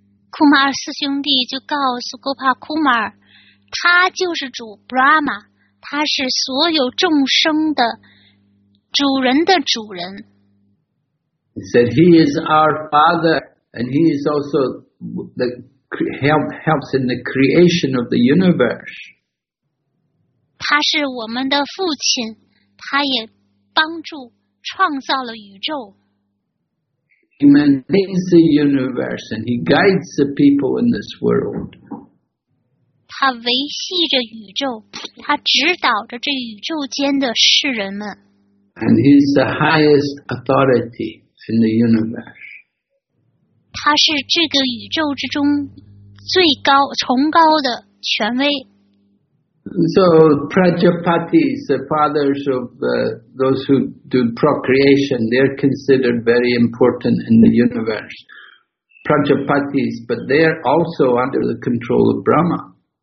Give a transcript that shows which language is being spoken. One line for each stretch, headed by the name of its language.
Chinese: Kumar 四兄弟就告诉 Gopa Kumar, 他就是主 Brahma, 他是所有众生的主人的主人。
English: He said, he is our father, and he is also the helps in the creation of the universe.
Chinese: 他是我们的父亲，他也帮助创造了宇宙。
English: He maintains the universe, and he guides the people in this world.
Chinese: 他维系着宇宙，他指导着这宇宙间的世人们。
English: And he is the highest authority. In the universe.
Chinese: 他是这个宇宙之中最高崇高的权威。
English: So Prajapati, the fathers of those who do procreation, they're considered very important in the universe. Prajapatis, but they're also under the control of Brahma.